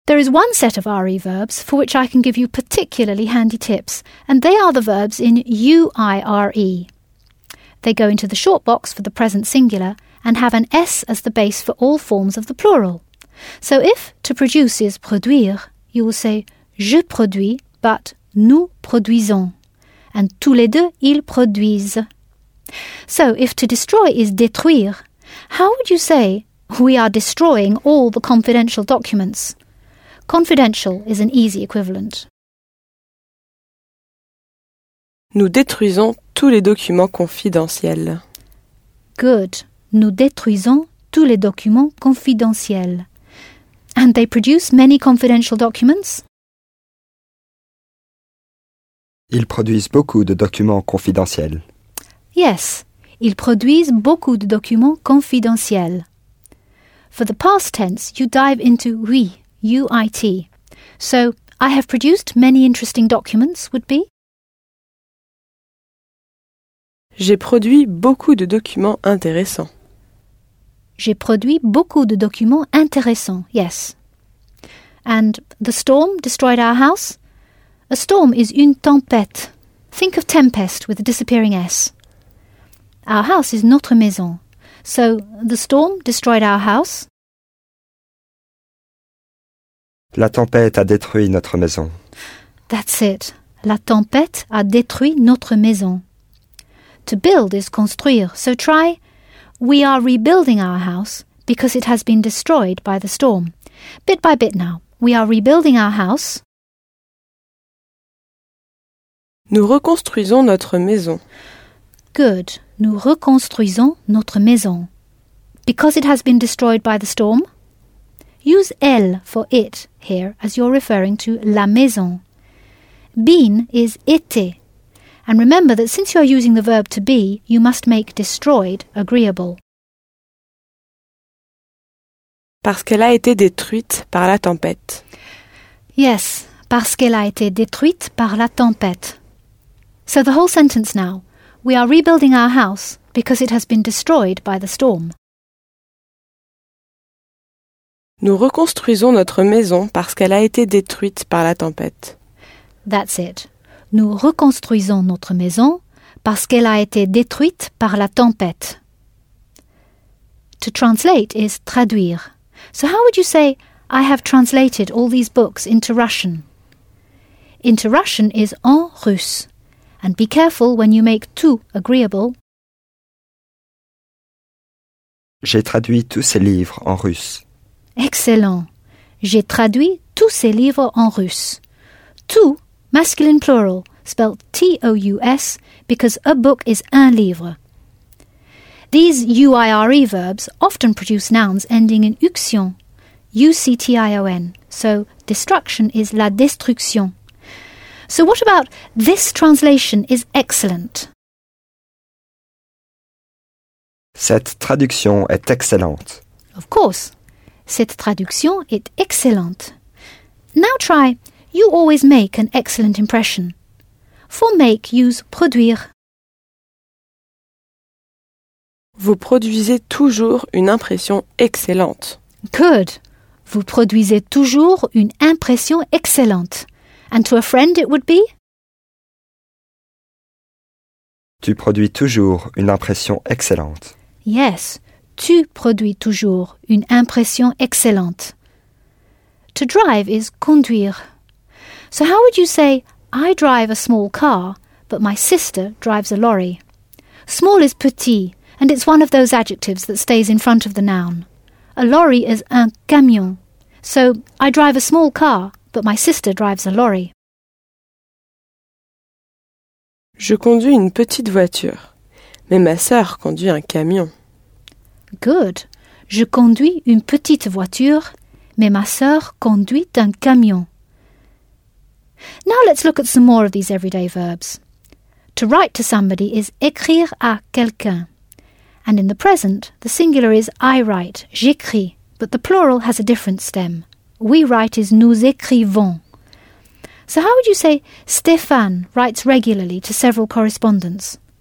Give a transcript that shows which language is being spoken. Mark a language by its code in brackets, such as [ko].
[en] There is one set of RE verbs for which I can give you particularly handy tips, and they are the verbs in UIRE. They go into the short box for the present singular and have an S as the base for all forms of the plural. So if to produce is produire, you will say [fr] je produis, [en] but [fr] nous produisons, [en] and [fr] tous les deux ils produisent. [en] So if to destroy is détruire, how would you say we are destroying all the confidential documents? Confidential is an easy equivalent. [fr] Nous détruisons tous les documents confidentiels. [en] Good. [fr] Nous détruisons tous les documents confidentiels. [en] And they produce many confidential documents? [fr] Ils produisent beaucoup de documents confidentiels. [en] Yes. [fr] Ils produisent beaucoup de documents confidentiels. [en] For the past tense, you dive into oui. UIT. So, I have produced many interesting documents would be? [fr] J'ai produit beaucoup de documents intéressants. J'ai produit beaucoup de documents intéressants, yes. [en] And the storm destroyed our house? A storm is une tempête. Think of tempest with a disappearing S. Our house is notre maison. So, the storm destroyed our house. [fr] La tempête a détruit notre maison. [en] That's it. [fr] La tempête a détruit notre maison. [en] To build is construire, so try. We are rebuilding our house because it has been destroyed by the storm. Bit by bit now. We are rebuilding our house. [fr] Nous reconstruisons notre maison. [en] Good. [fr] Nous reconstruisons notre maison. [en] Because it has been destroyed by the storm. Use elle for it here as you're referring to la maison. Been is été. And remember that since you're using the verb to be, you must make destroyed agreeable. [fr] Parce qu'elle a été détruite par la tempête. Yes, parce qu'elle a été détruite par la tempête. [en] So the whole sentence now. We are rebuilding our house because it has been destroyed by the storm. [fr] Nous reconstruisons notre maison parce qu'elle a été détruite par la tempête. [en] That's it. [fr] Nous reconstruisons notre maison parce qu'elle a été détruite par la tempête. [en] To translate is traduire. So how would you say, I have translated all these books into Russian? Into Russian is en russe. And be careful when you make tout agreeable. [fr] J'ai traduit tous ces livres en russe. [en] Excellent. [fr] J'ai traduit tous ces livres en russe. [en] Tout, masculine plural, spelled T-O-U-S, because a book is un livre. These U-I-R-E verbs often produce nouns ending in uction, U-C-T-I-O-N, so destruction is la destruction. So what about this translation is excellent? [fr] Cette traduction est excellente. [en] Of course. [fr] Cette traduction est excellente. [en] Now try, you always make an excellent impression. For make, use produire. [fr] Vous produisez toujours une impression excellente. [en] Good. [fr] Vous produisez toujours une impression excellente. [en] And to a friend it would be? [fr] Tu produis toujours une impression excellente. [en] Yes. [fr] Tu produis toujours une impression excellente. [en] To drive is conduire. So how would you say, I drive a small car, but my sister drives a lorry? Small is petit, and it's one of those adjectives that stays in front of the noun. A lorry is un camion. So, I drive a small car, but my sister drives a lorry. [fr] Je conduis une petite voiture, mais ma sœur conduit un camion. [en] Good. [fr] Je conduis une petite voiture, mais ma sœur conduit un camion. [en] Now let's look at some more of these everyday verbs. To write to somebody is [fr] écrire à quelqu'un. [en] And in the present, the singular is I write, [fr] j'écris, [en] but the plural has a different stem. We write is [fr] nous écrivons. [en] So how would you say Stéphane writes regularly to several correspondents?